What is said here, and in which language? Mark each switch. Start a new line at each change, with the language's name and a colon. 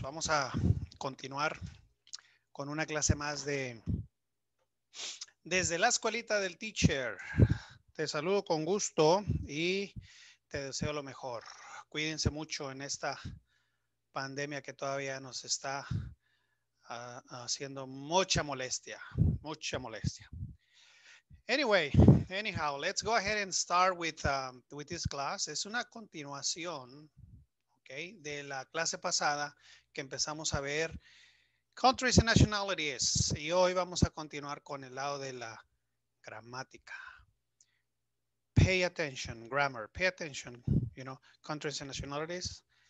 Spanish: Vamos a continuar con una clase más de desde la escuelita del teacher. Te saludo con gusto y te deseo lo mejor. Cuídense mucho en esta pandemia que todavía nos está haciendo mucha molestia, mucha molestia.
English: Anyway, anyhow, let's go ahead and start with this class.
Spanish: Es una continuación, okay, de la clase pasada que empezamos a ver
English: countries and nationalities.
Spanish: Y hoy vamos a continuar con el lado de la gramática.
English: Pay attention, grammar, pay attention, you know, countries and nationalities.